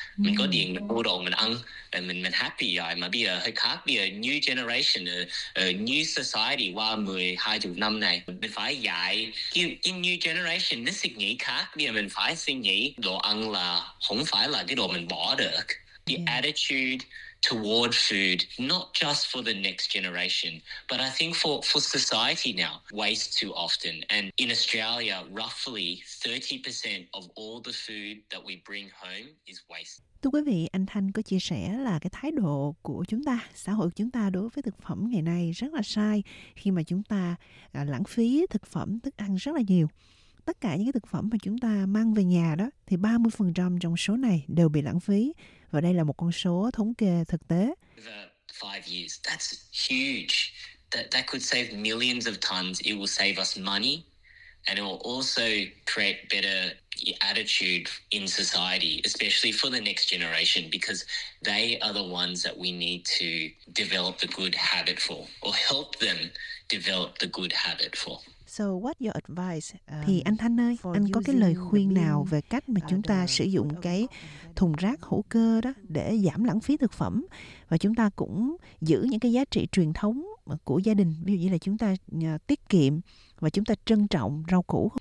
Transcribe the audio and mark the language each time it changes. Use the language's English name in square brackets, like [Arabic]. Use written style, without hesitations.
[Vietnamese] Mình có điện, mình mua đồ, mình ăn, mình happy rồi. Mà bây giờ hơi khác, bây giờ [English] new generation, new society [Vietnamese] qua 12 năm này, mình phải dạy cái new generation, nó suy nghĩ khác. Bây giờ mình phải suy nghĩ đồ ăn là không phải là cái đồ mình bỏ được. [English] The attitude toward food, not just for the next generation, but I think for society now, waste too often. And in Australia, roughly 30% of all the food that we bring home is waste. [Vietnamese] Thưa quý vị, anh Thanh có chia sẻ là cái thái độ của chúng ta, xã hội của chúng ta đối với thực phẩm ngày nay rất là sai khi mà chúng ta lãng phí thực phẩm, thức ăn rất là nhiều. Tất cả những cái thực phẩm mà chúng ta mang về nhà đó, thì 30% trong số này đều bị lãng phí. Và đây là một con số thống kê thực tế. [English] The 5 years, that's huge. That could save millions of tons. It will save us money. And it will also create better attitude in society, especially for the next generation, because they are the ones that we need to develop the good habit for, or help them develop the good habit for. So what your advice? [Vietnamese] Thì anh Thanh ơi, anh có cái lời khuyên nào về cách mà chúng ta sử dụng cái thùng rác hữu cơ đó để giảm lãng phí thực phẩm và chúng ta cũng giữ những cái giá trị truyền thống của gia đình, ví dụ như là chúng ta tiết kiệm và chúng ta trân trọng rau củ.